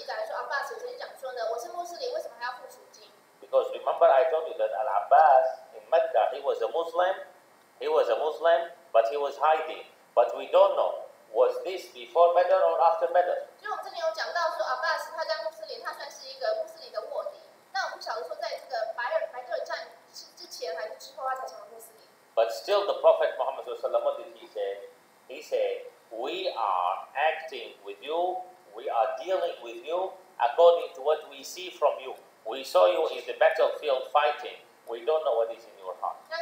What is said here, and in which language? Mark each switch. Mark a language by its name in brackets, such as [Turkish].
[Chinese] 那事实上有在另外一个历史的记载说，阿巴斯曾经讲说呢，我是穆斯林，为什么还要付赎金？ [English] Because remember, I told you that Al-Abbas in Mecca, he was a Muslim, but he was hiding. But we don't know, was this before Badr or after Badr? [Chinese] 就我们这里有讲到说，阿巴斯他在穆斯林，他算是一个穆斯林的卧底。那我们不晓得说，在这个白尔战之前还是之后，他才成为穆斯林。 [English] But still, the Prophet Muhammad Sallallahu Alaihi Wasallam, what did he say? He said, "We are acting with you. We are dealing with you according to what we see from you. We saw you in the battlefield fighting." We don't know what is in your heart.